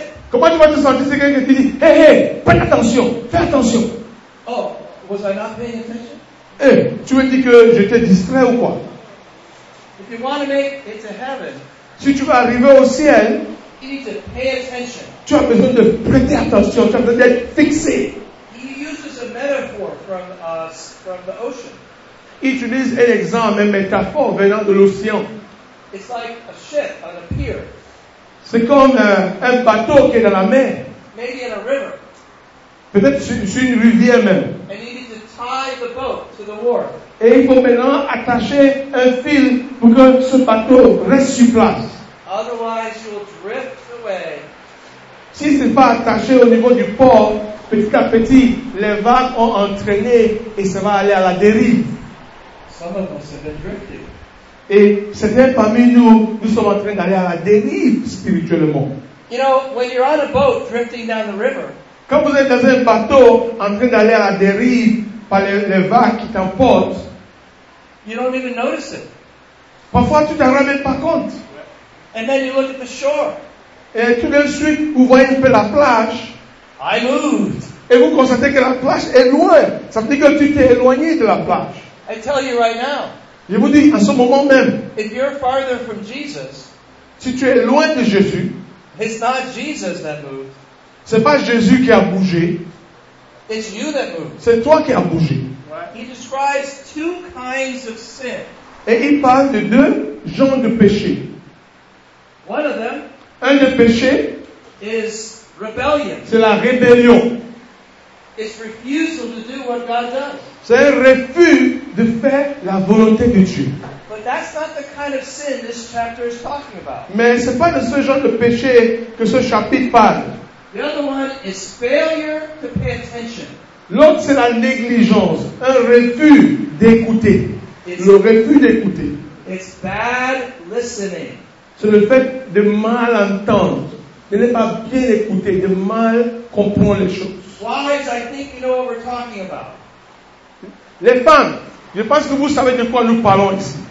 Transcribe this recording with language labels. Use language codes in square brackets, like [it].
[fr] Comment tu vas te sentir si quelqu'un te dit, prête attention, fais attention. [en] Oh, was I not paying attention? [fr] Tu me dis que j'étais distrait ou quoi? [en] If you want to make it to heaven, [fr] si tu veux arriver au ciel, [en] you need to pay attention. [fr] Tu as besoin de prêter attention, tu as besoin d'être fixé. [en] He uses a metaphor from the ocean. [fr] Il utilise un exemple, une métaphore venant de l'océan. [en] It's like a ship on a pier. [fr] C'est comme un bateau qui est dans la mer. [en] Maybe in a river. [fr] Peut-être sur une rivière même. [en] And you need to tie the boat to the wharf. [fr] Et il faut maintenant attacher un fil pour que ce bateau reste sur place. [en] Otherwise, you'll drift away. [fr] Si ce n'est pas attaché au niveau du port, petit à petit, les vagues ont entraîné et ça va aller à la dérive. [en] Some of us have been drifting. [fr] Et certains parmi nous, nous sommes en train d'aller à la dérive spirituellement. [en] You know, when you're on a boat drifting down the river, [fr] quand vous êtes dans un bateau en train d'aller à la dérive par les vagues qui t'emportent, [en] you don't even notice it. [fr] Parfois, tu ne t'en rends même pas compte. [en] And then you look at the shore. [fr] Et tout d'un suite, vous voyez un peu la plage. [en] I moved. [fr] Et vous constatez que la plage est loin. Ça veut dire que tu t'es éloigné de la plage. [en] I tell you right now. [fr] Je vous dis, à ce moment même, [en] if you're farther from Jesus, [fr] si tu es loin de Jésus, [en] it's not Jesus that moved. [fr] C'est pas Jésus qui a bougé. [en] It's you that moved. [fr] C'est toi qui as bougé. [en] Right? He describes two kinds of sin. [fr] Et il parle de deux genres de péché. [en] One of them, [fr] un des péchés, [en] is rebellion. [fr] C'est la rébellion. [en] It's refusal to do what God does. [fr] C'est un refus de faire la volonté de Dieu. [en] But that's not the kind of sin this chapter is talking about. [fr] Mais ce n'est pas de ce genre de péché que ce chapitre parle. [en] The other one is failure to pay attention. [fr] L'autre, c'est la négligence, un refus d'écouter. Le refus d'écouter. [en] It's bad listening. [fr] C'est le fait de mal entendre, de ne pas bien écouter, de mal comprendre les choses. [en] Wives, I think you know what we're talking about. [fr] Les femmes, je pense que vous savez de quoi nous parlons ici.